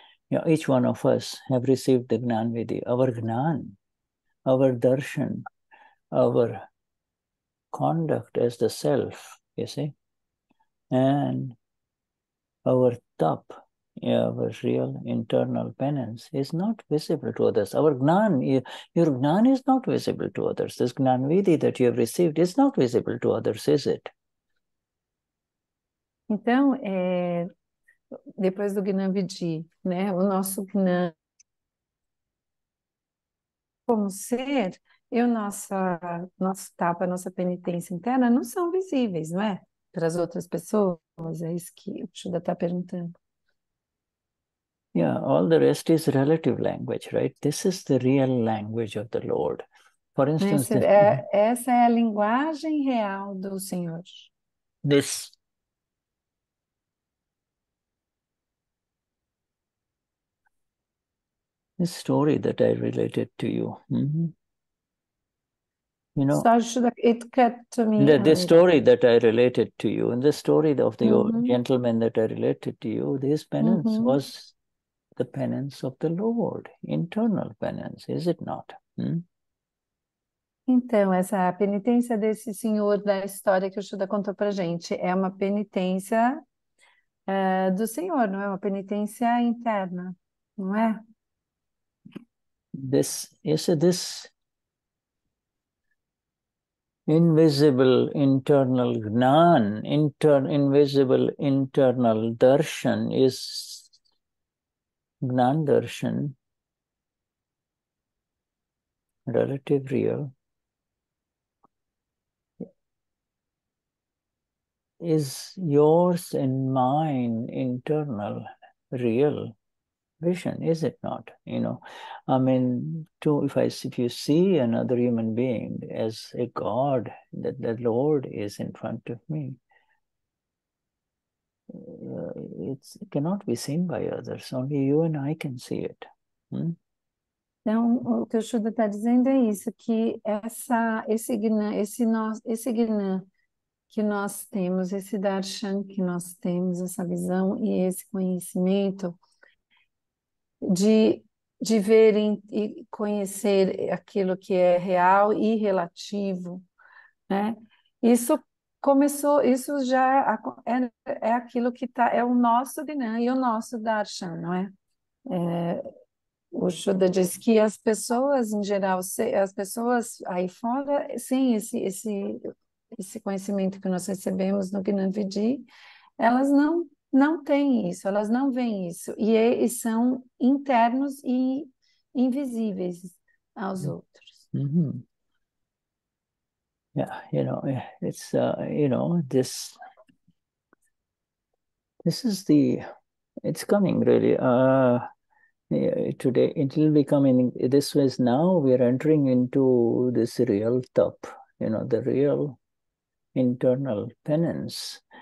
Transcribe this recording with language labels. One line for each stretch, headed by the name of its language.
English: Yeah, each one of us have received the Gnan Vidhi. Our Gnan, our darshan, our conduct as the self, you see, and our tap, our real internal penance, is not visible to others. Our gnan, your gnan is not visible to others. This gnan vidhi that you have received is not visible to others, is it?
Portuguese: Então, depois do gnan vidhi, né, o nosso gnan como ser. E o nosso tapa, a nossa penitência interna não são visíveis, não é? Para as outras pessoas, é isso que o Shuddha está perguntando.
English: Yeah, all the rest is relative language, right? This is the real language of the Lord. For instance,
Portuguese: essa é a linguagem real do Senhor.
English: This. This story that I related to you. Mm-hmm. You know, it cut to me. The story that I related to you, and the story of the mm-hmm. gentleman that I related to you, his penance mm-hmm. was the penance of the Lord, internal penance, is it not? Então, essa penitência desse senhor da história que o Shuddha contou pra gente é uma penitência do senhor, não é? Uma penitência interna, não é? This invisible internal gnan, invisible internal darshan is gnan darshan, relative real, is yours and mine internal real vision, is it not? You know, I mean, if you see another human being as a God, that the Lord is in front of me, it cannot be seen by others. Only you and I can see it.
Portuguese: Então, o que o Shuddha está dizendo é isso, que esse gnan que nós temos, esse darshan que nós temos, essa visão e esse conhecimento de ver e conhecer aquilo que é real e relativo, né? Isso começou, isso já é aquilo que tá, é o nosso Gnan e o nosso Darshan, não é? O Shuddha diz que as pessoas, em geral, as pessoas aí fora, sim, esse conhecimento que nós recebemos no Gnan Vidhi, elas não tem isso, elas não veem isso, e são internos e invisíveis aos outros. Mm-hmm.
English: Yeah, you know, it's, you know, this is the, it's coming really, today, it will be coming, this is now, we are entering into this real tap, you know, the real internal penance.